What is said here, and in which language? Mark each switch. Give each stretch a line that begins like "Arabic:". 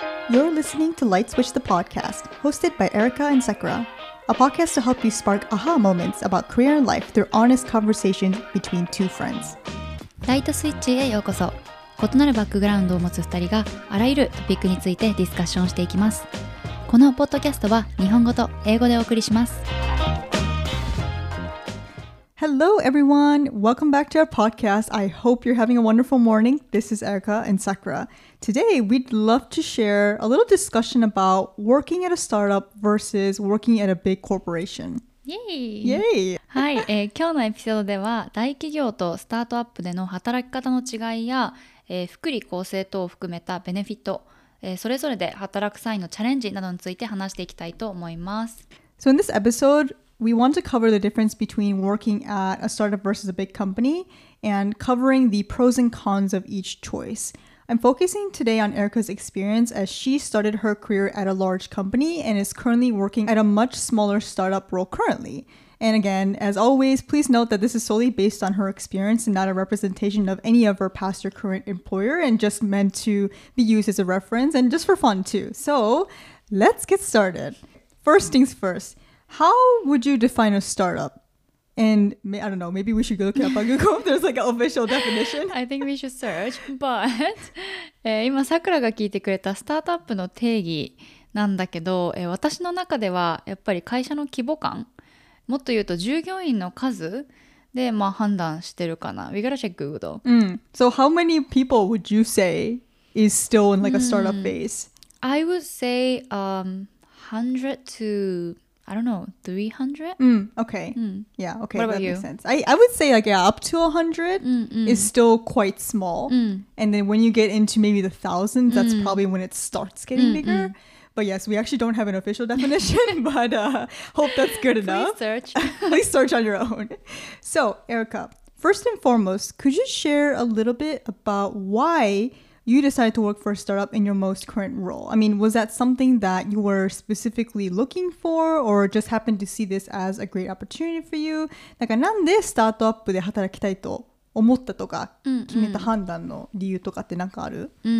English: You're listening to Light Switch the Podcast, hosted by Erika and Sakura, a podcast to help you spark aha moments about career and life through honest conversations between two friends.
Japanese: Light Switch へようこそ。異なるバックグラウンドを持つ2人があらゆるトピックについてディスカッションしていきます。このポッドキャストは日本語と英語でお送りします。
English: Hello everyone! Welcome back to our podcast. I hope you're having a wonderful morning. This is Erika and Sakura. Today, we'd love to share a little discussion about working at a startup versus working at a big corporation. Yay!
Japanese: はい、今日のエピソードでは大企業とスタートアップでの働き方の違いや、福利厚生等を含めたベネフィット、それぞれで働く際のチャレンジなどについて話していきたいと思います。
English: So in this episode,We want to cover the difference between working at a startup versus a big company and covering the pros and cons of each choice. I'm focusing today on Erika's experience as she started her career at a large company and is currently working at a much smaller startup role currently. And again, as always, please note that this is solely based on her experience and not a representation of any of her past or current employer and just meant to be used as a reference and just for fun too. So let's get started. First things first. How would you define a startup? And I don't know, maybe we should look up on Google if there's like an official definition. I think we should search. But
Japanese: 今さくらが聞いてくれたスタートアップの定義なんだけど、私の中ではやっぱり会社の規模感、もっと言うと従業員の数で、まあ、判断してるかな。
English: We gotta check Google. So how many people would you say is still in like a startup phase? I would say 100 to... I don't know, 300? Okay. Yeah, okay, that makes sense. I would say like, yeah, up to 100 is still quite small. And then when you get into maybe the thousands, that's probably when it starts getting bigger. But yes, we actually don't have an official definition, but hope that's good enough. Please search. Please search on your own. So, Erika, first and foremost, could you share a little bit about why... You decided to work for a startup in your most current role. I mean, was that something that you were specifically looking for or just happened to see this as a great opportunity for you?
Japanese: なんかなんでスタートアップで働きたいと思ったとか決めた判断の理由とかってなんかある?